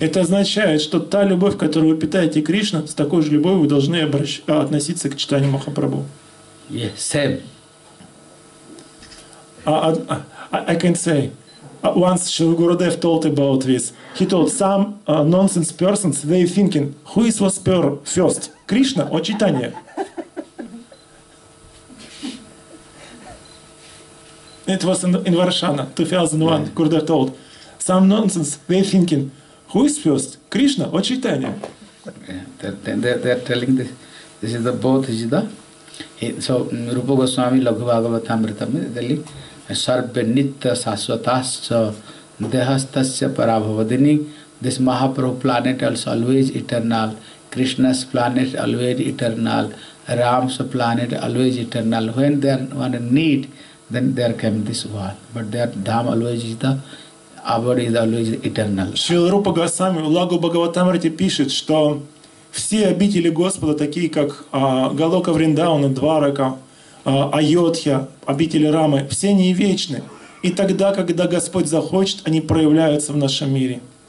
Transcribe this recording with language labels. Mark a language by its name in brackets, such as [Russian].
[Russian] Это означает, что та любовь, которую вы питаете Кришна, с такой же любовью вы должны относиться к Чайтанья Махапрабху. [English] Yeah, same. I can say, once Shri Gurudev told about this, he told some nonsense persons, they thinking, who is was first, Krishna or Chaitanya? It was in Varshana, 2001, yeah. Gurudev told, some nonsense, they thinking, who is first, Krishna or Chaitanya? They're telling this is the both, is it? So, Rupa Goswami, Lagu Bhagavatamritam, telling, [Sanskrit] Sarbe Nitya Saswatascha Dehastasya Parabhavadini. [English] This Mahaprabhu planet is always eternal. Krishna's planet always eternal. Ram's planet always eternal. When they are in need, then there came this world. But their dham always is the abode is always eternal. [Russian] Srila Rupa Goswami в Лагу Бхагаватамрите пишет, что все обители Господа, такие как Галока Вриндауна, Дварака, Айодхья, обители Рамы, все они вечны. И тогда, когда Господь захочет, они проявляются в нашем мире.